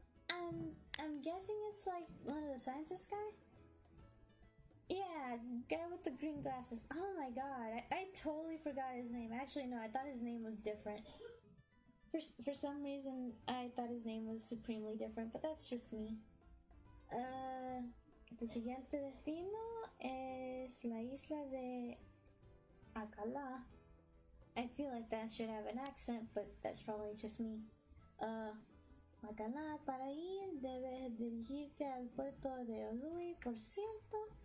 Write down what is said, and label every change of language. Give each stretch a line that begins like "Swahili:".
English: I'm guessing it's like one of the scientist guy? Yeah, guy with the green glasses. Oh my god, I totally forgot his name. Actually, no, I thought his name was different. For some reason, I thought his name was supremely different, but that's just me.
Spanish: Tu siguiente destino es la isla de Alcalá.
English: I feel like that should have an accent, but that's probably just me.
Spanish: Alcalá, para ir, debes dirigirte al puerto de Olui, por cierto.